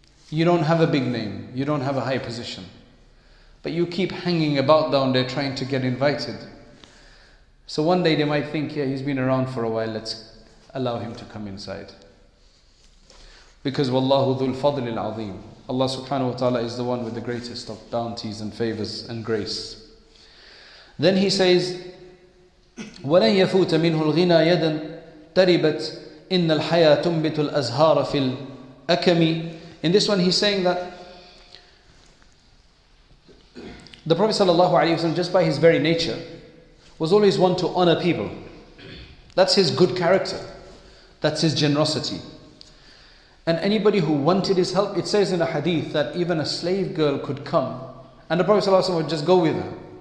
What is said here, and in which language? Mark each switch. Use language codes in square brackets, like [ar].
[en] You don't have a big name, you don't have a high position, but you keep hanging about down there trying to get invited. So one day they might think, yeah, he's been around for a while, let's allow him to come inside. Because [ar] wallahu dhul fadl al-azim, [en] Allah subhanahu wa ta'ala is the one with the greatest of bounties and favors and grace. [ar] Then he says, وَلَنْ يَفُوتَ مِنْهُ الْغِنَى يَدًا تَرِبَتْ إِنَّ الْحَيَا تُنْبِتُ الْأَزْهَارَ فِي الْأَكَمِ. [en] In this one, he's saying that the Prophet sallallahu alaihi wasallam, just by his very nature, was always one to honor people. That's his good character. That's his generosity. And anybody who wanted his help, it says in a hadith that even a slave girl could come, and the Prophet sallallahu alaihi wasallam would just go with her.